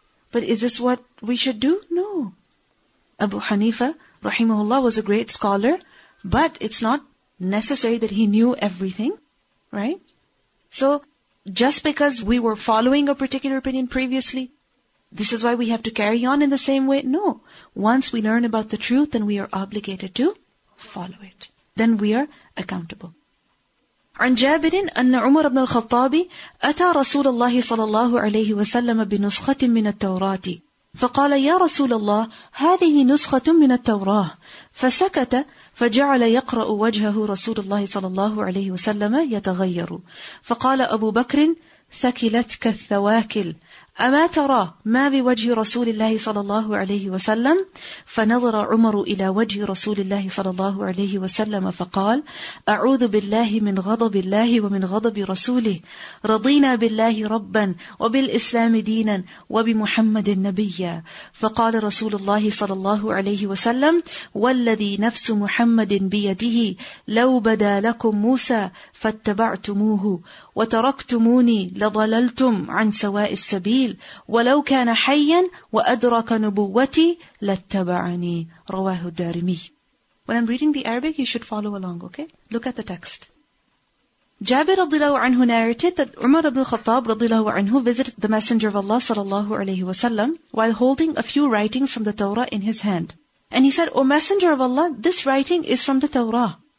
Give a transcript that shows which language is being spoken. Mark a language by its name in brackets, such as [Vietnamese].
[English] But is this what we should do? No. Abu Hanifa, rahimahullah, was a great scholar, but it's not necessary that he knew everything, right? So, just because we were following a particular opinion previously, this is why we have to carry on in the same way? No. Once we learn about the truth, then we are obligated to follow it. Then we are accountable. [Arabic] عن جابر أن عمر بن الخطاب أتى رسول الله صلى الله عليه وسلم بنسخة من التوراة فقال يا رسول الله هذه نسخة من التوراة فسكت فجعل يقرأ وجهه رسول الله صلى الله عليه وسلم يتغير فقال أبو بكر ثكلتك الثواكل أما ترى ما بوجه رسول الله صلى الله عليه وسلم فنظر عمر إلى وجه رسول الله صلى الله عليه وسلم فقال أعوذ بالله من غضب الله ومن غضب رسوله رضينا بالله ربا وبالإسلام دينا وبمحمد نبيا فقال رسول الله صلى الله عليه وسلم والذي نفس محمد بيده لو بدا لكم موسى فاتبعتموه وتركتموني لضللتم عن سواء السبيل ولو كان حيا وأدرك نبوتي لاتبعني رواه الدارمي. [English] When I'm reading the Arabic, you should follow along, okay? Look at the text. Jabir radiallahu anhu narrated that Umar ibn Khattab radiallahu anhu visited the Messenger of Allah sallallahu alayhi wa sallam while holding a few writings from the Torah in his hand. And he said, O Messenger of Allah, this writing is from the Torah.